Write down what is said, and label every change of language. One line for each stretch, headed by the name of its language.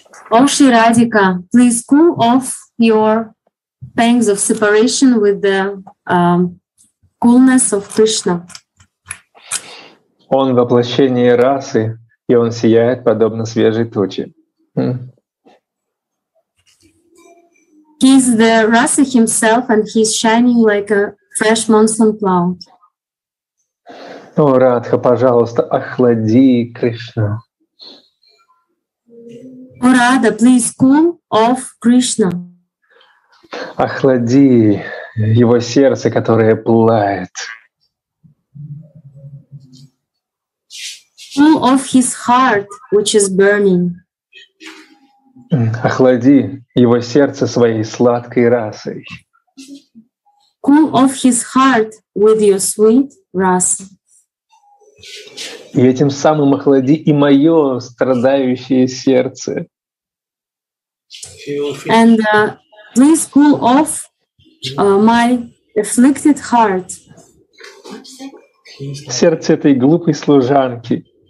English: О, Шри Радика, please cool off your pangs of separation with the coolness of Krishna.
Russian: Он воплощение расы, и он сияет подобно свежей туче.
English: He is the Rasa himself, and he is shining like a fresh monsoon cloud.
Russian: О, Радха, пожалуйста, охлади Кришну.
English: О, Рада, please cool off Krishna.
Russian: Охлади его сердце, которое пылает.
English: Cool off his heart, which is burning.
Russian: Охлади его сердце своей сладкой расой.
English: Cool off his heart with your sweet rasa.
Russian: И этим самым охлади и мое страдающее сердце.
English: And please cool off my afflicted heart.
Russian: Сердце этой глупой служанки.